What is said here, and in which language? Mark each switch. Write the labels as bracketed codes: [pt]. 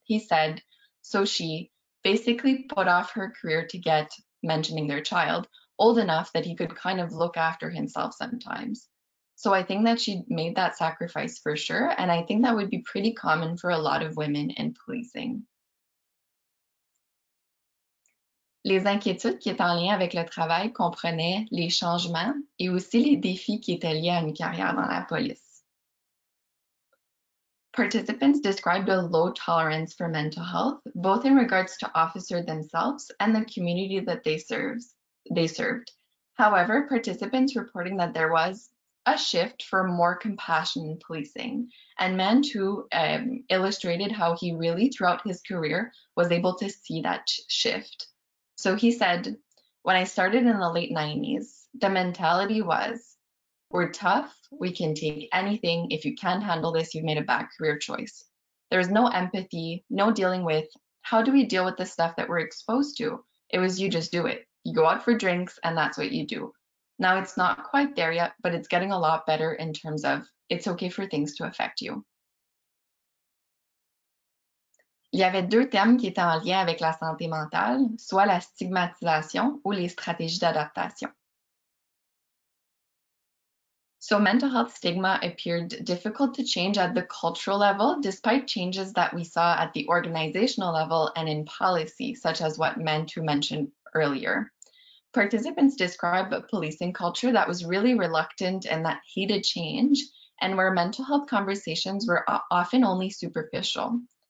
[en] He said, so she basically put off her career to get, mentioning their child, old enough that he could kind of look after himself sometimes. So I think that she made that sacrifice for sure, and I think that would be pretty common for a lot of women in policing. [fr] Les inquiétudes qui étaient en lien avec le travail comprenaient les changements et aussi les défis qui étaient liés à une carrière dans la police. [en] Participants described a low tolerance for mental health, both in regards to officer themselves and the community that they served. However, participants reporting that there was a shift for more compassion in policing, and Mantu illustrated how he really throughout his career was able to see that shift. So he said, when I started in the late 90s, the mentality was, we're tough, we can take anything. If you can't handle this, you've made a bad career choice. There's no empathy, no dealing with, how do we deal with the stuff that we're exposed to? It was, you just do it. You go out for drinks and that's what you do. Now it's not quite there yet, but it's getting a lot better in terms of, it's okay for things to affect you. [fr] Il y avait deux thèmes qui étaient en lien avec la santé mentale, soit la stigmatisation ou les stratégies d'adaptation. [en] So mental health stigma appeared difficult to change at the cultural level, despite changes that we saw at the organizational level and in policy, such as what Mantu mentioned earlier. Participants described a policing culture that was really reluctant and that hated change, and where mental health conversations were often only superficial.